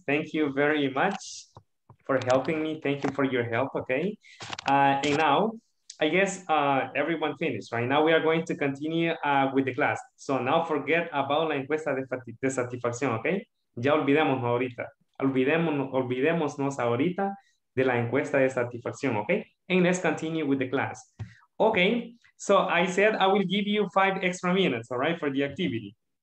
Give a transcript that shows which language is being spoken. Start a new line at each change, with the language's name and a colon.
English: Thank you very much for helping me. Thank you for your help, ok. And now, I guess everyone finished, right? Now we are going to continue with the class. So now forget about
Spanish: la encuesta de satisfacción,
English: okay?
Spanish: Ya olvidémonos ahorita. Olvidémonos ahorita de la encuesta de satisfacción, okay?
English: And let's continue with the class. Okay, so I said I will give you 5 extra minutes, all right, for the activity.